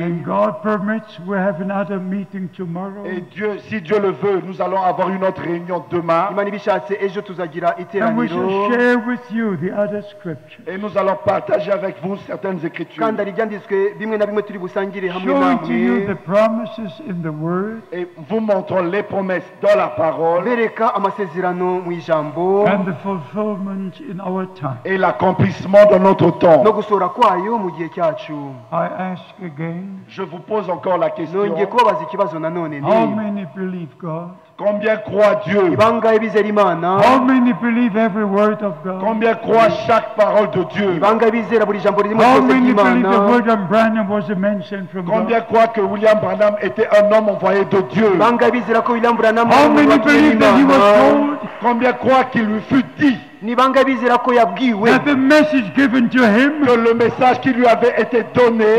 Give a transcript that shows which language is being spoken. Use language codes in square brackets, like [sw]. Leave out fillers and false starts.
[en] And God permits, we have another meeting tomorrow. [fr] Et Dieu, si Dieu le veut, nous allons avoir une autre réunion demain. [rw] Imana ibishatse ejo tuzagira iteraniro. [en] And we shall share with you the other scriptures. [fr] Et nous allons partager avec vous certaines Écritures, [en] showing to you the promises in the word, [fr] et vous montrant les promesses dans la parole, [en] and the fulfillment in our time, [fr] et l'accomplissement dans notre temps. [en] I ask again, [fr] je vous pose encore la question, [en] how many believe God? [fr] Combien croit Dieu? [en] How many believe every word of God? [fr] Combien croit chaque parole de Dieu? [en] How many believe the word of Branham was a mention from God? [fr] Combien croit que William Branham était un homme envoyé de Dieu? [en] How many believe that he was told? [fr] Combien croit qu'il lui fut dit? [en] That the message given to him, [fr] que le message qui lui avait été donné,